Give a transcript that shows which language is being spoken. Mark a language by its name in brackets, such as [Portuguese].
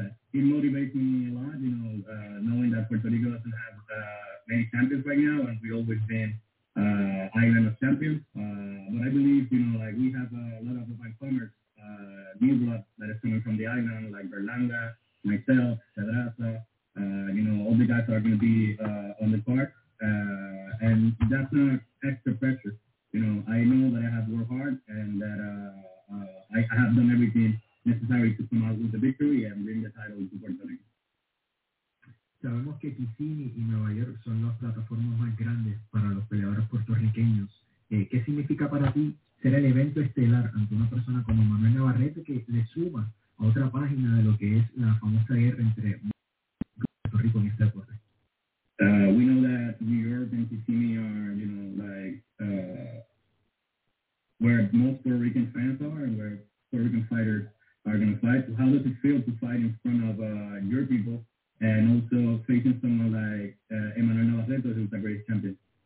[English] It motivates me a lot, you know, knowing that Puerto Rico doesn't have many champions right now, and we always been Island of Champions, but I believe, you know, like we have a lot of newcomers, new blood that is coming from the island, like Berlanga, myself, Pedraza, you know, all the guys are going to be on the card, and that's not extra pressure. You know, I know that I have worked hard and that I have done everything necessary to come out with the victory and win the title to Puerto Rico. [Spanish] Sabemos que Kissimmee y Nueva York son las plataformas más grandes para los peleadores puertorriqueños. ¿Qué significa para ti ser el evento estelar ante una persona como Manuel Navarrete, que le suma a otra página de lo que es la famosa guerra entre Puerto Rico y este deporte. [English] We know that New York and Kissimmee are, you know, like where most Puerto Rican fans are and where Puerto Rican fighters are going to fight. So how does it feel to fight in front of your people and also facing someone like Emanuel Navarrete, who's a great champion?